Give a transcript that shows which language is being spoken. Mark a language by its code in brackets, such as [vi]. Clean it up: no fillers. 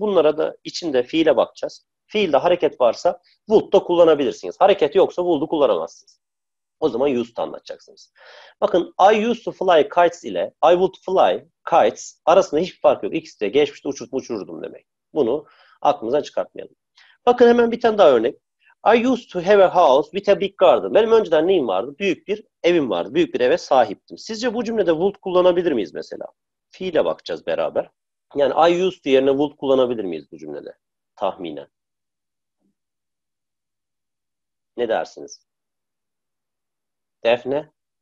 [tr] Bunlara da içinde fiile bakacağız. Fiilde hareket varsa would'da kullanabilirsiniz. Hareket yoksa would'u kullanamazsınız. O zaman used'u anlatacaksınız. [en] Bakın I used to fly kites ile I would fly kites [tr] arasında hiçbir fark yok. İkisi de geçmişte uçurtma uçururdum demek. Bunu aklımızdan çıkartmayalım. Bakın hemen bir tane daha örnek. [en] I used to have a house with a big garden. [tr] Benim önceden neyim vardı? Büyük bir evim vardı. Büyük bir eve sahiptim. Sizce bu cümlede would kullanabilir miyiz mesela? Fiile bakacağız beraber. Yani I used to yerine would kullanabilir miyiz bu cümlede? Tahminen. Ne dersiniz? Defne?